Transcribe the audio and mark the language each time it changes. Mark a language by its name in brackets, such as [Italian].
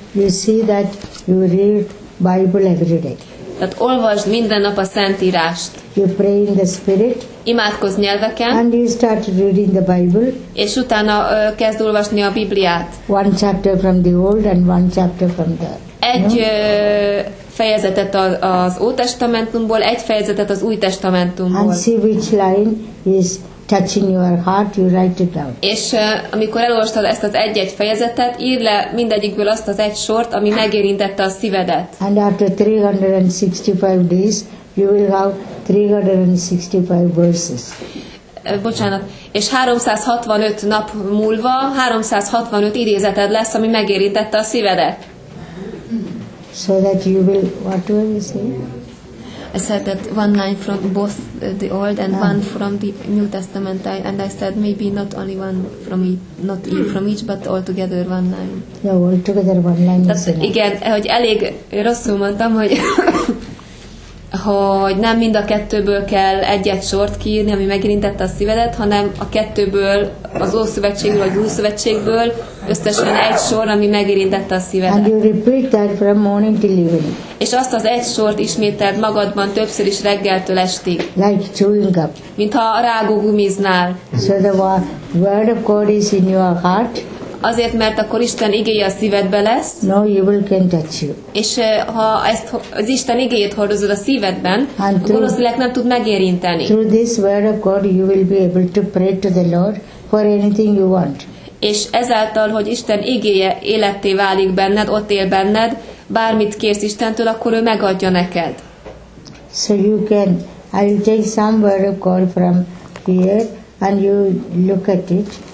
[English] You see that you read Bible every day. [Hungarian] Tehát olvasd minden nap a Szentírást. [English] You pray in the spirit [Hungarian] imádkozz nyelveken. [English] And you start reading the Bible. [Hungarian] És utána kezd olvasni a Bibliát. [English] One chapter from the old and one chapter from the. [Hungarian] Egy fejezetet az Új Testamentumból, egy fejezetet az Új Testamentumból. [English] And see which line is touching your heart, you write it down. [Hungarian] És amikor elolvastad ezt az egy-egy fejezetet, írd le mindegyikből azt az egy sort, ami megérintette a szívedet. [English] And after 365 days, you will have 365 verses. [Hungarian] Bocsánat. És 365 nap múlva 365 idézeted lesz, ami megérintette a szívedet. [English] So that you will, what do you say? I said that one line from both the Old and one from the New Testament, and I said maybe not only one from each, not from each, but all together one line. Yeah, all together one line. [Hungarian] Igen, hogy elég rosszul mondtam, hogy hogy nem mind a kettőből kell egy-egy sort kiírni, ami megérintette a szívedet, hanem a kettőből, az Ószövetségből vagy Újszövetségből összesen egy sor, ami megérintette a szívedet. [English] And you repeat that from morning till evening. [Hungarian] És azt az egy sort ismételd magadban többször is reggeltől estig. [English] Like chewing up. [Hungarian] Mintha rágógumiznál. [English] So the word of God is in your heart. [Hungarian] Azért, mert akkor Isten igéje a szívedbe lesz. [English] No evil can touch you. [Hungarian] És ha ezt az Isten igéjét hordozod a szívedben, valószínűleg nem tud megérinteni. [English] Through this word of God you will be able to pray to the Lord for anything you want. [Hungarian] És ezáltal, hogy Isten igéje életté válik benned, ott él benned, bármit kérsz Istentől, akkor ő megadja neked. [English] So you can, I will take some word of God from here and you look at it.